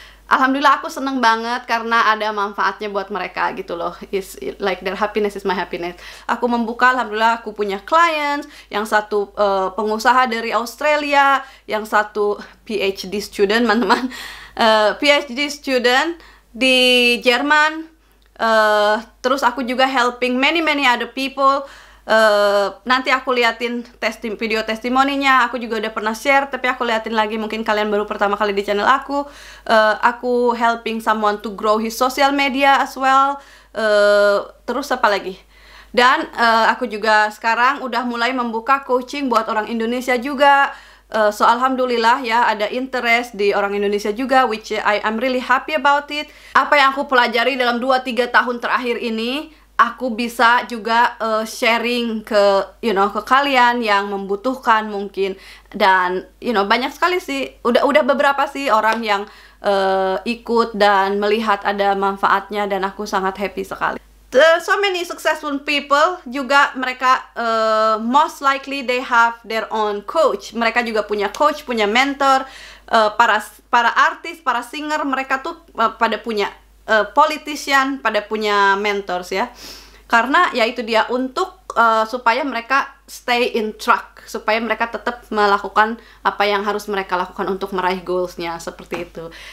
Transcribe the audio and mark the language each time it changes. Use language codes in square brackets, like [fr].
[id] Alhamdulillah aku seneng banget karena ada manfaatnya buat mereka gitu loh. [en] It's like their happiness is my happiness. [id] Aku membuka, alhamdulillah aku punya clients. Yang satu pengusaha dari Australia, yang satu PhD student, teman-teman. PhD student di Jerman. Terus aku juga [en] helping many many other people. [id] Nanti aku liatin video testimoninya. Aku juga udah pernah share, tapi aku liatin lagi. Mungkin kalian baru pertama kali di channel aku. Aku [en] helping someone to grow his social media as well. [id] Terus apa lagi? Dan aku juga sekarang udah mulai membuka coaching buat orang Indonesia juga. [en] So alhamdulillah ya, [id] ada interest di orang Indonesia juga, [en] which I am really happy about it. [id] Apa yang aku pelajari dalam 2-3 tahun terakhir ini, aku bisa juga sharing ke, [en] you know, [id] ke kalian yang membutuhkan mungkin. Dan, [en] you know, [id] banyak sekali sih, udah beberapa sih orang yang ikut dan melihat ada manfaatnya, dan aku sangat happy sekali. [en] So many successful people [id] juga, mereka [en] most likely they have their own coach. [id] Mereka juga punya coach, punya mentor. Para artis, para singer, mereka tuh pada punya politician, pada punya mentors ya. Karena ya itu dia, untuk supaya mereka [en] stay in track, [id] supaya mereka tetap melakukan apa yang harus mereka lakukan untuk meraih goalsnya, seperti itu.